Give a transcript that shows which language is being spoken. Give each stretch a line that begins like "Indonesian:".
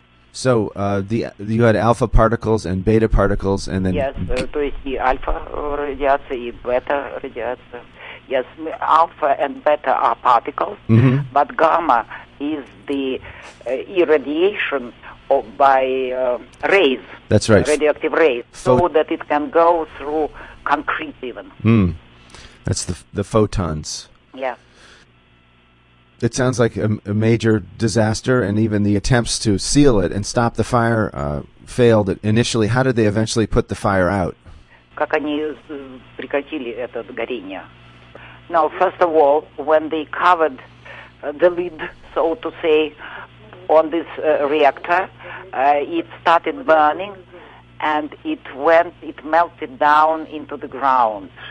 English: So you had alpha particles and beta particles, and then...
Russian: Yes, то есть и альфа радиация, и бета радиация.
English: Yes, alpha and beta are particles, mm-hmm. but gamma is the irradiation by rays. That's right. Radioactive rays, so that it can go through concrete even. Mm. That's the photons. Yeah. It sounds like a major disaster, and even the attempts to seal it and stop the fire failed initially. How did they eventually put the fire out?
Russian: Как они прекратили это горение?
English: Now, first of all, when they covered the lid, so to say, on this reactor, it started burning, and it melted down into the ground.